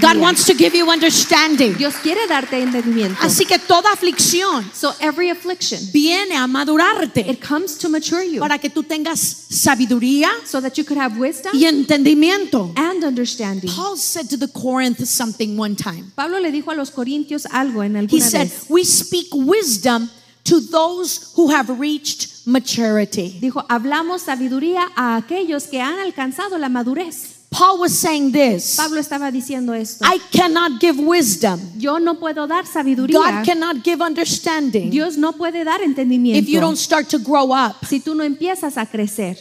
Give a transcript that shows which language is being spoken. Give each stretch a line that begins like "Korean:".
English: God wants to give you understanding,
Spanish: Dios quiere darte entendimiento, así que toda aflicción,
English: so every affliction,
Spanish: viene a madurarte,
English: it comes to mature you,
Spanish: para que tú tengas sabiduría,
English: so that you could have wisdom,
Spanish: y entendimiento,
English: and understanding. Paul said to the Corinth something one time.
Spanish: Pablo le dijo a los Corintios algo en alguna
English: He said, "We speak wisdom to those who have reached maturity."
Spanish: Dijo, hablamos sabiduría a aquellos que han alcanzado la madurez.
English: Paul was saying this.
Spanish: Pablo estaba diciendo esto.
English: I cannot give wisdom.
Spanish: Yo no puedo dar sabiduría.
English: God cannot give understanding.
Spanish: Dios no puede dar entendimiento.
English: If you don't start to grow up.
Spanish: Si tú no empiezas a crecer.